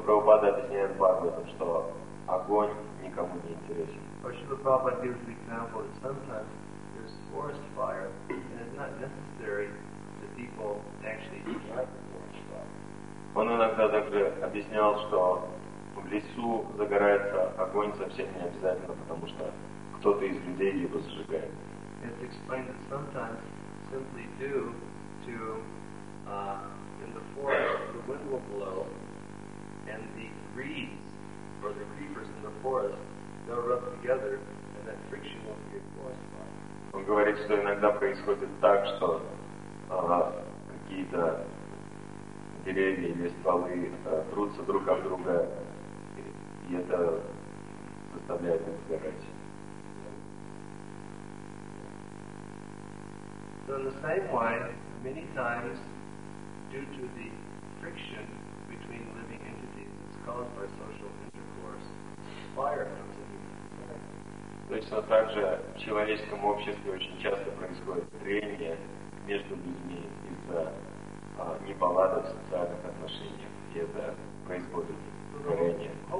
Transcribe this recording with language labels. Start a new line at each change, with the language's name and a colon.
Russian: Прабхупада объясняет Бхагаватам, что огонь никому не интересен.
English: Or Srila Prabhupada gives the example that sometimes there's forest fire and it's not necessary that people actually light the forest fire.
Russian: Он иногда также объяснял, что в лесу загорается огонь совсем не обязательно, потому что кто-то из людей его зажигает.
English: It's explained that sometimes simply due to in the forest the wind will blow and the reeds or the creepers in the forest they'll rub together, and that friction will create forest fire.
Russian: Он говорит, что иногда происходит так, что какие-то деревья или стволы трутся друг об друга, и это заставляет их сгорать.
English: So in the same way, many times, due to the friction between living entities, it's caused by social intercourse, fire comes in.
Russian: Точно так же в человеческом обществе очень часто происходит трение между людьми из-за неполадок в социальных отношениях, где это производит горение.